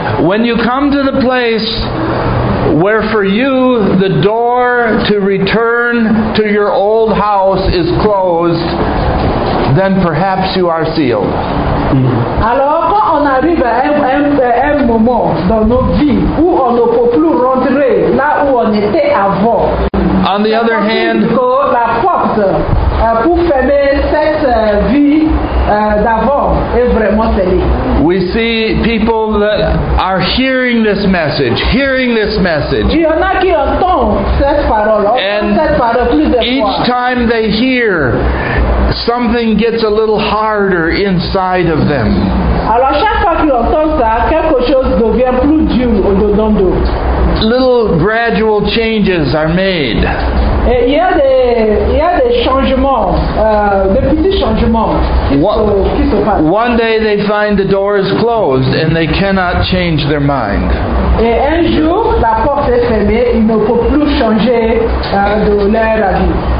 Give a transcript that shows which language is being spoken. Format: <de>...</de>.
<en>When you come to the place where for you the door to return to your old house is closed, then perhaps you are sealed.</en> <fr>Alors quand on arrive à un moment dans nos vies où on ne peut plus rentrer là où on était avant.</fr> <en>On the other hand,</en> <fr>la porte pour fermer cette vie d'avant est vraiment scellée.</fr> <en>We see people that are hearing this message.</en> <fr>Il y en a qui entend cette parole, plus de fois.</fr> <en>Each time they hear, something gets a little harder inside of them.</en> <fr>Alors chaque fois qu'ils entendent ça, quelque chose devient plus dur au dedans d'eux.</fr> <en>Little gradual changes are made.</en> <fr>Et il y a des changements, des petits changements qui se passent.</fr> <en>One day they find the door is closed and they cannot change their mind.</en> <fr>Et un jour la porte est fermée, ils ne peuvent plus changer de leur avis.</fr>